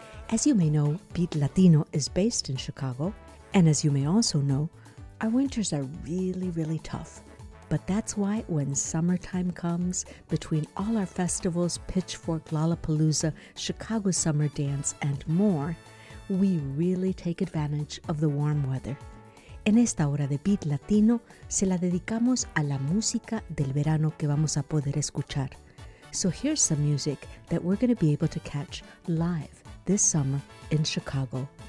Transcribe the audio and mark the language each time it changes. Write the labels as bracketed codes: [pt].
[en] As you may know, Beat Latino is based in Chicago, and as you may also know, our winters are really, really tough. But that's why when summertime comes, between all our festivals, Pitchfork, Lollapalooza, Chicago Summer Dance, and more, we really take advantage of the warm weather. [es] En esta hora de Beat Latino, se la dedicamos a la música del verano que vamos a poder escuchar. [en] So here's some music that we're going to be able to catch live this summer in Chicago.